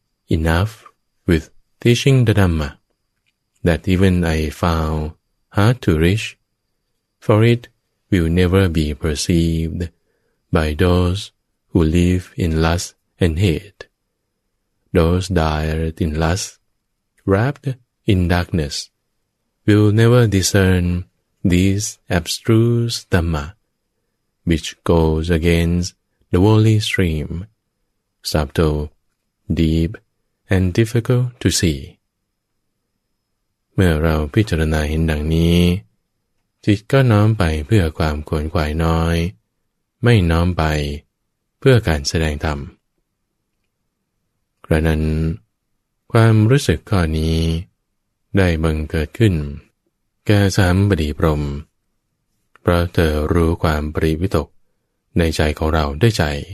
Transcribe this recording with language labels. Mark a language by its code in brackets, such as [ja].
[en] Enough with teaching the Dhamma that even I found hard to reach, for it will never be perceived by those who live in lust and hate, those dyed in lust, wrapped in darkness, will never discern this abstruse Dhamma, which goes against the worldly stream. Subtle, deep, and difficult to see. [th] เมื่อเราพิจารณาเห็นดังนี้จิตก็น้อมไปเพื่อความขวนขวายน้อยไม่น้อมไปเพื่อการแสดงธรรมกระนั้นความรู้สึกข้อนี้ได้บังเกิดขึ้นแก่สามบดีพรหมเพราะเธอรู้ความปริวิตกในใจของเราด้วยใจ